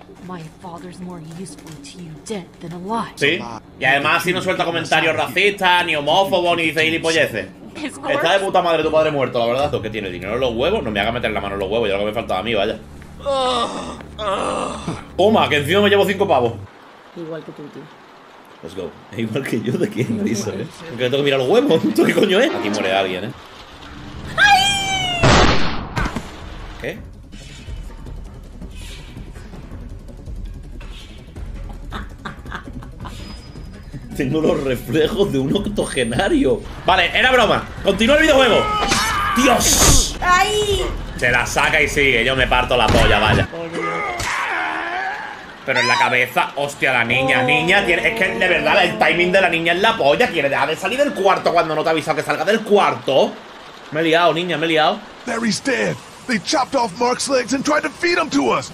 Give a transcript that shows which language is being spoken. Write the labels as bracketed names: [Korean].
[English] My father's more useful to you dead than alive. [Spanish] Sí. Y además, si no suelta comentarios racistas, ni homófobos, ni dice gilipolleces. Está de puta madre tu padre muerto, la verdad. Que tiene dinero en los huevos. No me haga meter la mano en los huevos. Ya lo que me faltaba a mí, vaya. Puma, que encima me llevo 5 pavos. Igual que tú, tío. [English] Let's go. [Spanish] Es igual que yo, ¿de quién dice, eh? Porque tengo que mirar los huevos. ¿Tú qué coño es? Aquí muere alguien, ¿eh? ¡Ay! ¿Qué? Tengo los reflejos de un octogenario. Vale, era broma. Continúa el videojuego. ¡Dios! ¡Ay! Se la saca y sigue. Yo me parto la polla, vaya. Pero en la cabeza, hostia, la niña, niña, tiene, es que de verdad el timing de la niña es la polla. ¿Quiere dejar de salir del cuarto cuando no te ha avisado que salga del cuarto? Me he liado, niña, me he liado. [English] Barry's dead. They chopped off Mark's legs and tried to feed him to us.